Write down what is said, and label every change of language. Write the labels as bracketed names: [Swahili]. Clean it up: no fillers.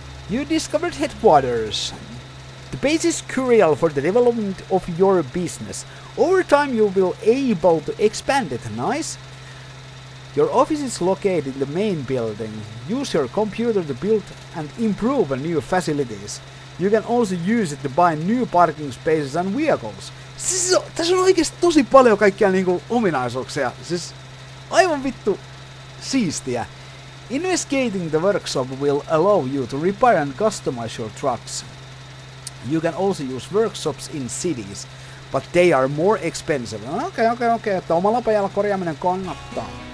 [English] You discovered headquarters. The base is crucial for the development of your business. Over time you will able to expand it, nice? Your office is located in the main building. Use your computer to build and improve new facilities. You can also use it to buy new parking spaces and vehicles. [Finnish] Siis tässä on oikeesti tosi paljon kaikkia niinku ominaisuuksia. Siis aivan vittu siistiä. [English] Investigating the workshop will allow you to repair and customize your trucks. You can also use workshops in cities, but they are more expensive. Okay. [Finnish] Että omalla pajalla korjaaminen kannattaa.